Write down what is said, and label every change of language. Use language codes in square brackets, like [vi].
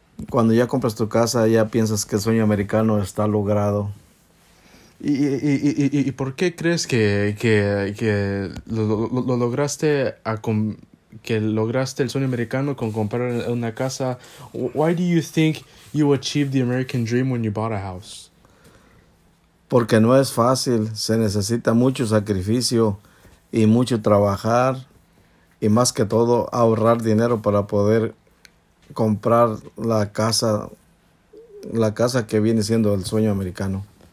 [es] Cuando ya compras tu casa, ya piensas que el sueño americano está logrado. ¿Y por qué crees que lograste el sueño americano con comprar una casa? [en] Why do you think you achieved the American dream when you bought a house? [es] Porque no es fácil, se necesita mucho sacrificio y mucho trabajar y más que todo ahorrar dinero para poder comprar la casa que viene siendo el sueño americano.